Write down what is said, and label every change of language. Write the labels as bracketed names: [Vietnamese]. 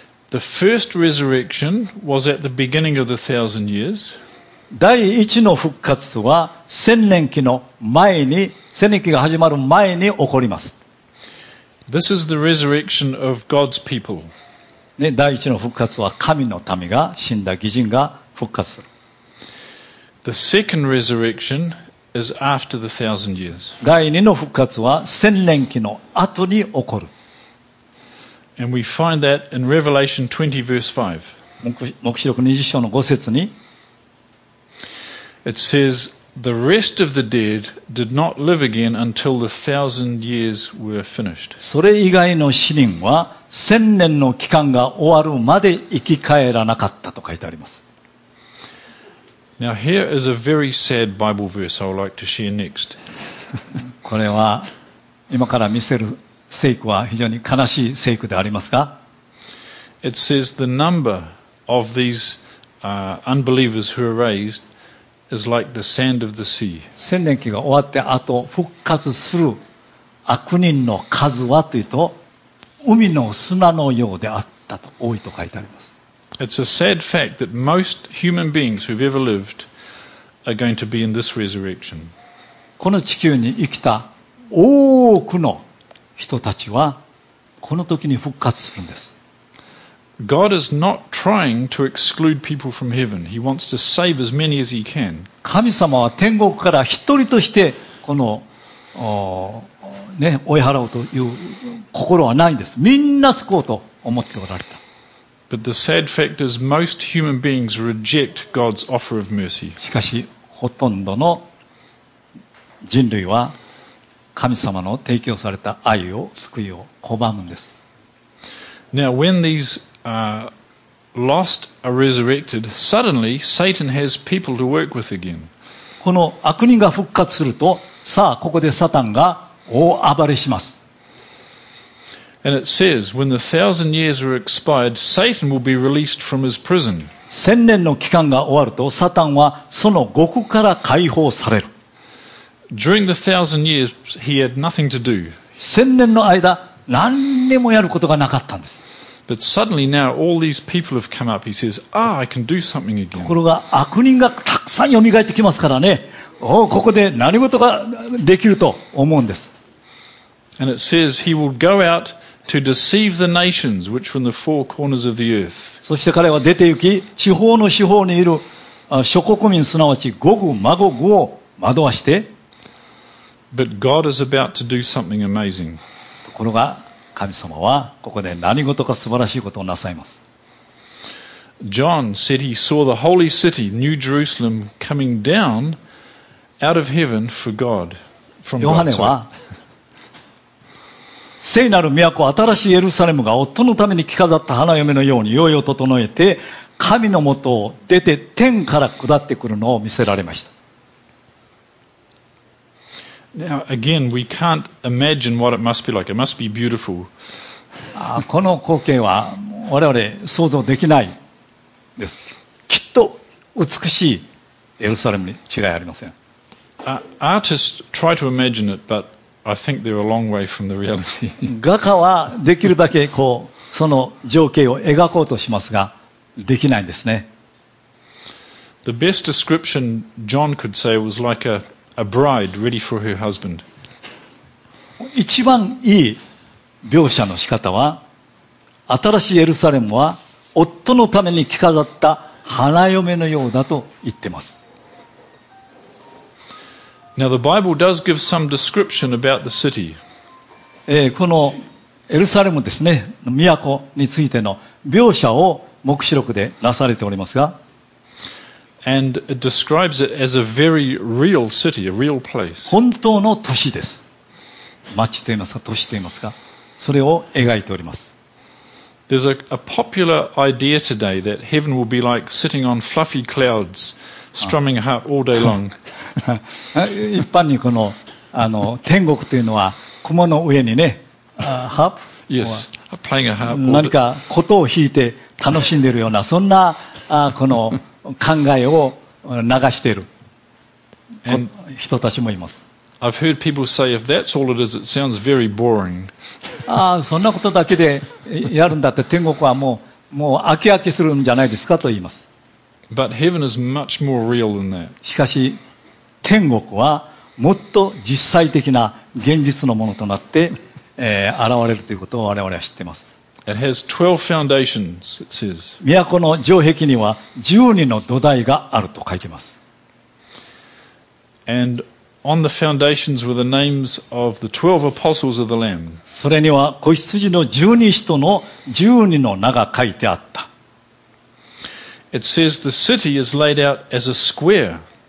[English] The first resurrection was at the beginning of the thousand years. [Japanese] 第一の復活は千年期の前に、千年期が始まる前に起こります。 [English] This is the resurrection of God's people. [Japanese] ね、第一の復活は神の民が死んだ義人が復活する。 [English] The second resurrection is after the thousand years. [Japanese] 第二の復活は千年期の後に起こる。 [English] And we find that in Revelation 20 verse 5. [Japanese] 黙示録20章の5節に [English] It says, the rest of the dead did not live again until the thousand years were finished. [Japanese] それ以外の死人は千年の期間が終わるまで生き返らなかったと書いてあります。 [English] Now here is a very sad Bible verse I would like to share next. [Japanese] これは今から見せる聖句は非常に悲しい聖句でありますが、 [English] It says the number of these unbelievers who are raised is like the sand of the sea. [Japanese] 千年期が終わってあと復活する悪人の数はというと、海の砂のようであったと多いと書いてあります。 [English] It's a sad fact that most human beings who've ever lived are going to be in this resurrection. [Japanese] この地球に生きた多くの人たちはこの時に復活するんです。 [English] God is not trying to exclude people from heaven. He wants to save as many as he can. [Japanese] 神様は天国から一人としてこの、ね、追い払うという心はないんです。みんな救おうと思っておられた。 [English] But the sad fact is most human beings reject God's offer of mercy. [Japanese] しかしほとんどの人類は神様の提供された愛を救いを拒むんです。 [English] Now, when these lost are resurrected, suddenly Satan has people to work with again. [Japanese] この悪人が復活すると、さあここでサタンが大暴れします。 [English] And it says, when the thousand years are expired, Satan will be released from his prison. [Japanese] 千年の期間が終わると、サタンはその獄から解放される。 [English] During the thousand years, he had nothing to do. [Japanese] 千年の間、何にもやることがなかったんです。 [English] But suddenly now, all these people have come up. He says, "Ah, I can do something again." [Japanese] ところが悪人がたくさん蘇ってきますからね。おお、ここで何事ができると思うんです。 [English] And it says he will go out to deceive the nations, which were in the four corners of the earth. [Japanese] そして彼は出て行き、地方の四方にいる諸国民、すなわちゴグマゴグを惑わして。 [English] But God is about to do something amazing. [Japanese] ところが神様はここで何事か素晴らしいことをなさいます。 [English] John said he saw the holy city, New Jerusalem, coming down out of heaven for God. From [Japanese] ヨハネは聖なる都、新しいエルサレムが夫のために着飾った花嫁のようにヨーヨー整えて神のもとを出て天から下ってくるのを見せられました。 [English] Now again, we can't imagine what it must be like. It must be beautiful. [Japanese] この光景は我々想像できないです。きっと美しいエルサレムに違いありません。 [English] Artists try to imagine it, but I think they're a long way from the reality. [Japanese] 画家はできるだけこうその情景を描こうとしますが、できないんですね。 [English] The best description John could say was like a bride ready for her husband. [Japanese] 一番いい描写の仕方は、新しいエルサレムは夫のために着飾った花嫁のようだと言ってます。 [English] Now the Bible does give some description about the city. [Japanese] このエルサレムですね、都についての描写を黙示録でなされておりますが、 [English] And it describes it as a very real city, a real place. [Japanese] 本当の都市です。町と言いますか、都市と言いますか、それを描いております。 [English] There's a popular idea today that heaven will be like sitting on fluffy clouds, strumming a harp all day long. [Japanese] 一般にこの、あの、天国というのは雲の上にね、ハープ。 [English] Yes, playing a harp. [Japanese] 何か琴を弾いて楽しんでいるような、そんな、この考えを流している人たちもいます。 [English] I've heard people say if that's all it is, it sounds very boring. [Japanese] ああ、そんなことだけでやるんだって天国はもう飽き飽きするんじゃないですかと言います。 [English] But heaven is much more real than that. [Japanese] しかし天国はもっと実際的な現実のものとなって、現れるということを我々は知っています。 [English] It has 12 foundations, it says. [Japanese] 都の城壁には12の土台があると書いています。 [English] And on the foundations were the names of the 12 apostles of the Lamb. [Japanese] それには子羊の12使徒の12の名が書いてあった。 [English] It says the city is laid out as a square.